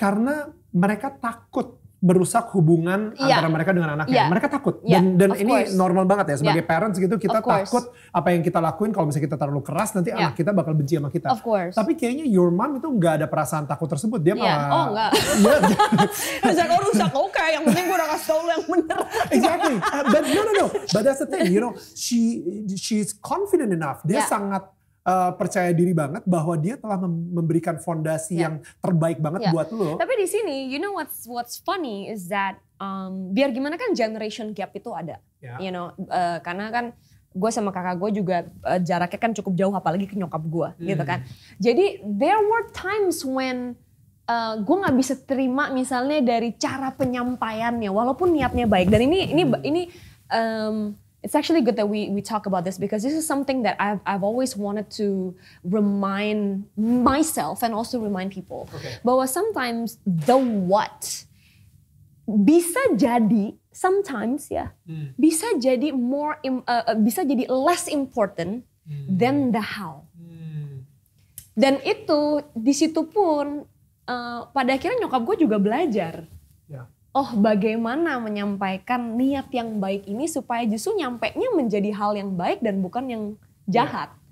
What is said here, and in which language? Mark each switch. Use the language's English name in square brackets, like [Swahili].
[Indonesian] Karena mereka takut merusak hubungan antara mereka dengan anaknya. Yeah. Mereka takut. Yeah. Dan ini normal banget ya sebagai parents gitu, kita takut apa yang kita lakuin kalau misalnya kita terlalu keras nanti anak kita bakal benci sama kita. [English] Of course. [Indonesian] Tapi kayaknya [English] your mom [Indonesian] itu gak ada perasaan takut tersebut. Dia malah... Oh enggak. Misalnya kalau rusak, oke, yang penting gue udah kasih tau lu yang bener. [English] Exactly. But that's the thing, you know, she's confident enough. [Indonesian] Dia sangat percaya diri banget bahwa dia telah memberikan fondasi yang terbaik banget buat lo. Tapi di sini, [English] you know what's funny is that [Indonesian] biar gimana kan generation gap itu ada, [English] you know, [Indonesian] karena kan gue sama kakak gue juga jaraknya kan cukup jauh, apalagi ke nyokap gue, gitu kan. Jadi [English] there were times when [Indonesian] gue nggak bisa terima misalnya dari cara penyampaiannya, walaupun niatnya baik. Dan ini [English] it's actually good that we talk about this because this is something that I've always wanted to remind myself and also remind people. Okay. [Indonesian] Bahwa [English] sometimes the what [Indonesian] bisa jadi [English] sometimes [Indonesian] ya, bisa jadi [English] more [Indonesian] bisa jadi [English] less important than the how. [Indonesian] Dan itu di situ pun pada akhirnya nyokap gue juga belajar. Oh, bagaimana menyampaikan niat yang baik ini supaya justru nyampenya menjadi hal yang baik dan bukan yang jahat.